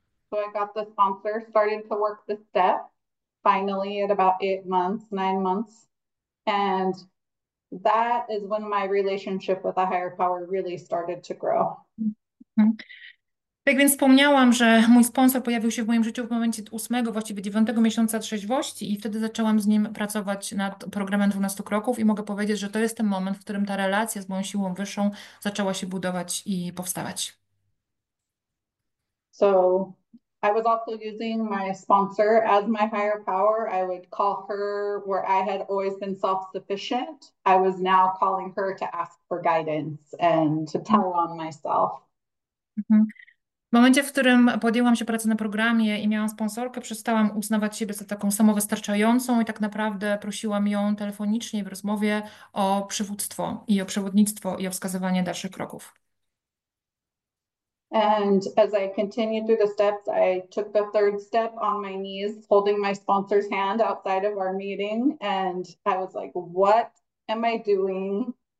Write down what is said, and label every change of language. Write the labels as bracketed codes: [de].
[en] So I got the sponsor, started to work the steps finally at about 8 months, 9 months. And that is when my relationship with a higher power really started to grow. [pl] Tak więc wspomniałam, że mój sponsor pojawił się w moim życiu w momencie 8, właściwie 9 miesiąca trzeźwości, i wtedy zaczęłam z nim pracować nad programem 12 kroków, i mogę powiedzieć, że to jest ten moment, w którym ta relacja z moją siłą wyższą zaczęła się budować i powstawać. [en] So I was also using my sponsor as my higher power. I would call her where I had always been self-sufficient. I was now calling her to ask for guidance and to tell on myself. [pl] W momencie, w którym podjęłam się pracy na programie i miałam sponsorkę, przestałam uznawać siebie za taką samowystarczającą i tak naprawdę prosiłam ją telefonicznie w rozmowie o przywództwo i o przewodnictwo i o wskazywanie dalszych kroków. [en] And as I continued through the steps, I took the third step on my knees, holding my sponsor's hand outside of our meeting. And I was like, what am I doing?